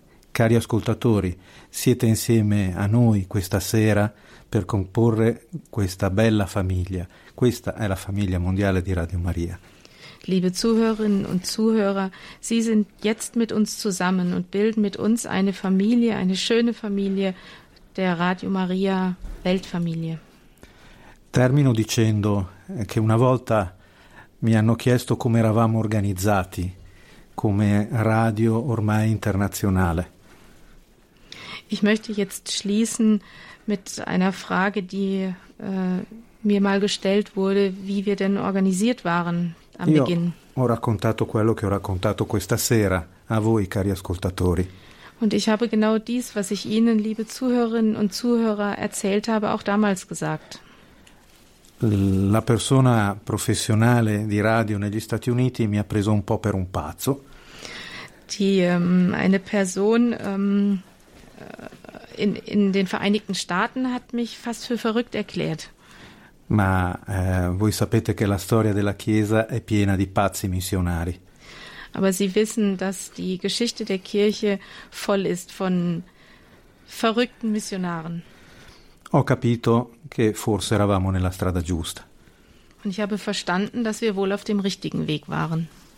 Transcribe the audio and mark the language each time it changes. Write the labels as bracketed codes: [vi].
[it] Cari ascoltatori, siete insieme a noi questa sera per comporre questa bella famiglia. Questa è la famiglia mondiale di Radio Maria. [de] Liebe Zuhörerinnen und Zuhörer, Sie sind jetzt mit uns zusammen und bilden mit uns eine Familie, eine schöne Familie der Radio Maria Weltfamilie. [it] Termino dicendo che una volta mi hanno chiesto come eravamo organizzati come radio ormai internazionale. [de] Ich möchte jetzt schließen mit einer Frage, die mir mal gestellt wurde, wie wir denn organisiert waren am Beginn. [it] Io ho raccontato quello che ho raccontato questa sera a voi, cari ascoltatori. [de] Und ich habe genau dies, was ich Ihnen, liebe Zuhörerinnen und Zuhörer, erzählt habe, auch damals gesagt. [it] La persona professionale di radio negli Stati Uniti mi ha preso un po' per un pazzo. [de] Eine Person in den Vereinigten Staaten hat mich fast für verrückt erklärt. [it] Ma voi sapete che la storia della Chiesa è piena di pazzi missionari. [de] Aber Sie wissen, dass die Geschichte der Kirche voll ist von verrückten Missionaren. [it] Ho capito che forse eravamo nella strada giusta. [de] Und ich habe verstanden, dass wir wohl auf dem richtigen Weg waren.